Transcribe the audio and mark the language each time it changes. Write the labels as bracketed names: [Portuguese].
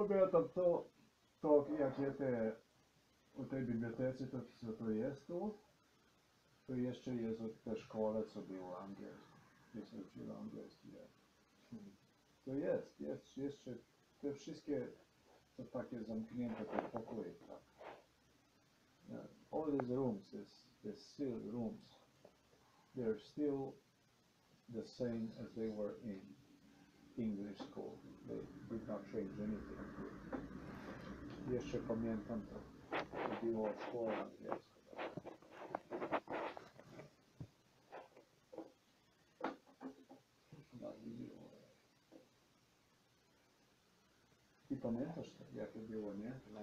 [Polish] Pamiętam to, to jak je te u tej bibliotece, to co to jest tu, to jeszcze jest od tej szkole, co było angielski, gdzie się uczyło angielski. To jest, jest jeszcze te wszystkie to takie zamknięte te pokoje, tak. [English] Yeah. All these rooms, these sealed rooms, they're still the same as they were in English school. They did not change anything. [Polish] Jeszcze pamiętam to, to było w szkole angielskiej. Ty pamiętasz, jakie było, nie?